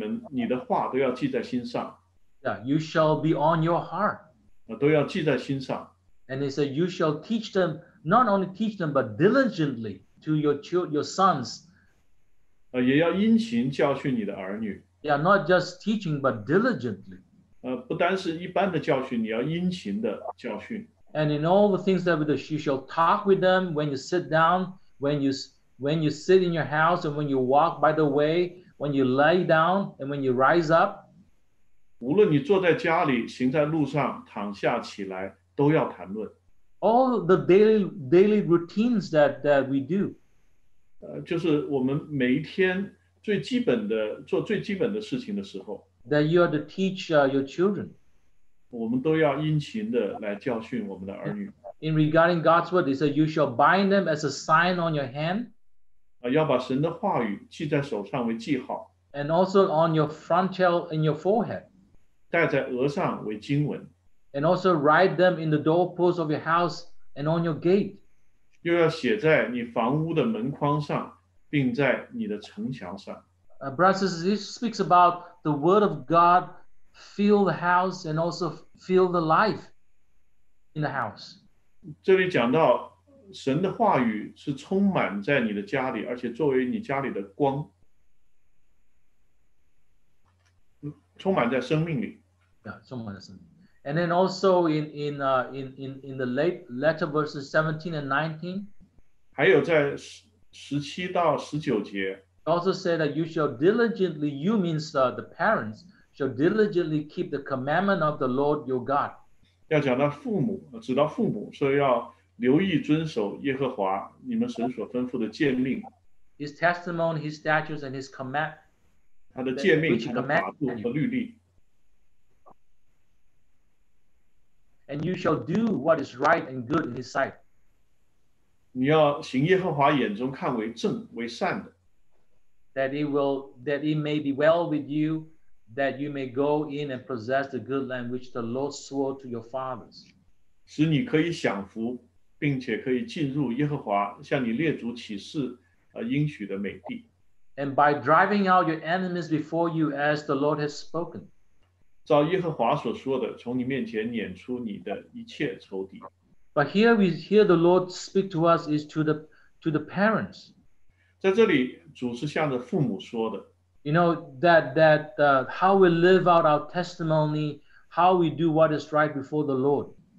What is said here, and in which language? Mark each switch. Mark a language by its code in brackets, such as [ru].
[zh] 我今日所吩咐你们，你的话都要记在心上。Yeah, [en] you shall be on your heart. [zh] 都要记在心上。 [en] And he said, you shall teach them, not only teach them, but diligently to your sons. [zh] 也要殷勤教训你的儿女。Yeah, [en] not just teaching, but diligently. [zh] 不单是一般的教训，你要殷勤的教训。 [en] And in all the things that you shall talk with them when you sit down, when you sit in your house and when you walk by the way, when you lay down and when you rise up. [zh] 无论你坐在家里, 行在路上, 躺下起来, 都要谈论。 [en] All the daily routines that we do. [zh] 就是我们每一天最基本的, 做最基本的事情的时候, [en] that you are to teach your children. [zh] 我们都要殷勤地来教训我们的儿女。 [en] In regarding God's word, he said, you shall bind them as a sign on your hand. [zh] 要把神的话语记在手上为记号, [en] and also on your frontal and your forehead. [zh] 戴在额上为经文, [en] and also write them in the doorpost of your house and on your gate. [zh] 又要写在你房屋的门框上, 并在你的城墙上。 [en] Brothers, this speaks about the word of God fill the house and also fill the life in the house. [zh] 这里讲到, 神的话语是充满在你的家里, 而且作为你家里的光, 充满在生命里。 Yeah, 充满在生命里。 [en] And then also in the late letter verses 17 and 19, [zh] 还有在17到19节, [en] also say that you shall diligently, you means the parents, shall diligently keep the commandment of the Lord your God. [zh] 要讲到父母, 指到父母, 说要 留意遵守耶和华你们神所吩咐的诫命, [en] his testimony, his statutes, and his command, [zh] 他的诫命, 他的法度和律例, [en] and you shall do what is right and good in his sight. [zh] 你要行耶和华眼中看为正为善的, [en] that it may be well with you, that you may go in and possess the good land which the Lord swore to your fathers. [zh] 使你可以享福, 并且可以进入耶和华向你列祖起誓, [en] And by driving out your enemies before you as the Lord has spoken. [zh] 照耶和华所说的, 从你面前撵出你的一切仇敌。 [en] But here we hear the Lord speak to us is to the parents. [zh] 在这里, 主是向着父母说的。 [en] You know that how we live out our testimony, how we do what is right before the Lord.